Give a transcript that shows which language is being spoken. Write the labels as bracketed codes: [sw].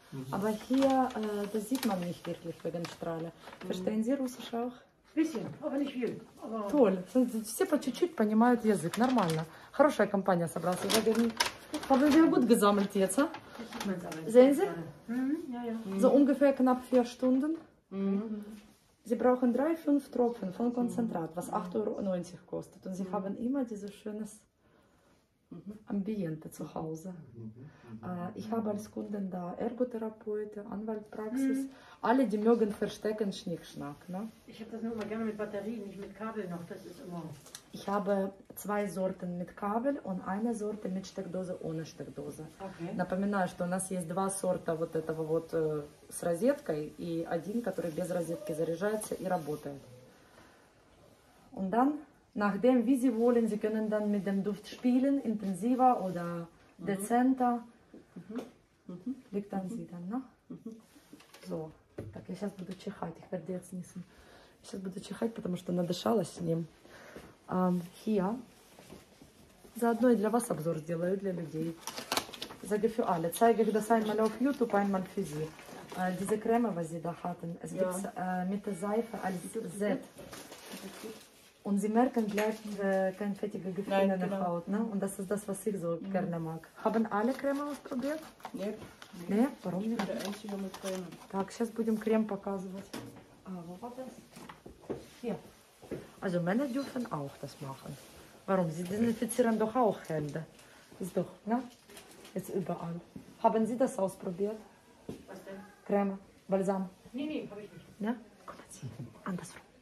[de] Aber hier, das sieht man nicht wirklich wegen Strahle. Verstehen Sie Russisch auch? Bisschen, aber nicht viel. Aber... Toll, [ru] все по чуть-чуть понимают язык, нормально. Хорошая компания собралась. [de] Haben wir gut gesammelt jetzt, ha? Sehen Sie? Mm-hmm. So ungefähr knapp 4 Stunden. Mm-hmm. Sie brauchen 3-5 Tropfen von Konzentrat, was 8,90 Euro kostet. Und Sie mm-hmm. haben immer dieses schönes Ambiente zu Hause. Mm-hmm. Ich habe als Kunden da Ergotherapeuten, Anwaltpraxis. Mm-hmm. Alle, die mögen verstecken, Schnickschnack. Ne? Ich habe das nur mal gerne mit Batterien, nicht mit Kabel noch. Das ist immer. Ich habe zwei Sorten mit Kabel und eine Sorte mit Steckdose ohne Steckdose. Okay. [ru] Напоминаю, что у нас есть два сорта вот этого вот с розеткой и один, который без розетки заряжается и работает. [de] Und dann, nachdem wie Sie wollen, Sie können dann mit dem Duft spielen, intensiver oder dezenter. Liegt an Sie dann, ne? So. [ru] Так, я сейчас буду чихать, их отец несу. Сейчас буду чихать, потому что надышалась с ним. [de] Hier. [ru] Заодно и для вас обзор сделаю, для людей. [de] Sage für alle. Zeige ich das einmal auf YouTube, einmal für Sie. Diese Creme, was Sie da hatten. Es gibt mit der Seife als Z. Und Sie merken gleich kein fettiges Gefühl in der Haut. Ne? Und das ist das, was ich so gerne mag. Haben alle Creme ausprobiert? [ru] Нет. Не, паром не надо. Так, сейчас будем крем показывать. А, вот это. [de] Also, Männer dürfen auch das machen. Warum? Sie desinfizieren doch auch Hände. Ist doch, ne? Ist überall. Haben Sie das ausprobiert? Was denn? Creme, Balsam. Nee, nee, hab ich nicht. Ne? Kommen Sie, andersrum.